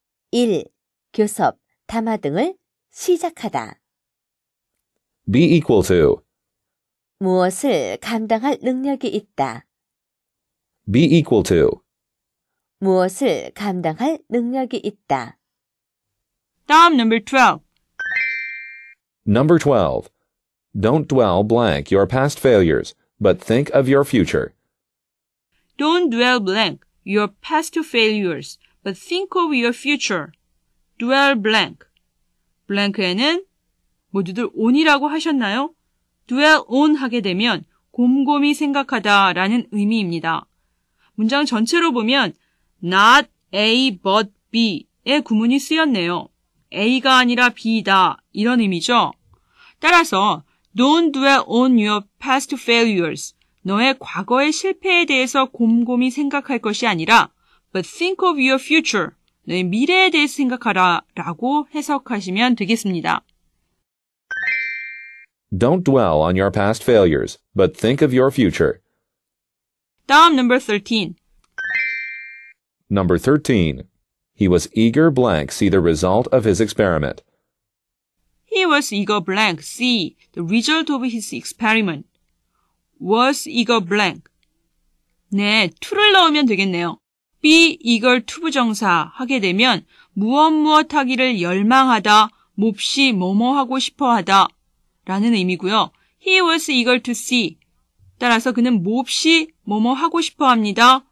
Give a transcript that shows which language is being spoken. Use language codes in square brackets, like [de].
[ko] 일, 교섭, 담화 등을 시작하다. [en] Be equal to. [ko] 무엇을 감당할 능력이 있다. [en] Be equal to. [ko] 무엇을 감당할 능력이 있다. [en] 다음 number 12. Number 12. Don't dwell blank your past failures, but think of your future. Don't dwell blank your past failures, but think of your future. Dwell blank. [ko] blank에는 모두들 on이라고 하셨나요? dwell on 하게 되면 곰곰이 생각하다 라는 의미입니다. 문장 전체로 보면 not A but B의 구문이 쓰였네요. A가 아니라 B다 이런 의미죠. [en] 따라서 don't dwell on your past failures. [ko] 너의 과거의 실패에 대해서 곰곰이 생각할 것이 아니라 [en] but think of your future. [ko] 너의 미래에 대해 생각하라 라고 해석하시면 되겠습니다. [en] Don't dwell on your past failures, but think of your future. 다음 number 13. Number 13. He was eager blank see the result of his experiment. He was eager blank see the result of his experiment. Was eager blank. [ko] 네, to를 넣으면 되겠네요. be eager to 부정사 하게 되면 무엇무엇 하기를 열망하다, 몹시 뭐뭐 하고 싶어 하다. 라는 의미고요. [en] He was eager to see. [ko] 따라서 그는 몹시 뭐뭐 하고 싶어 합니다.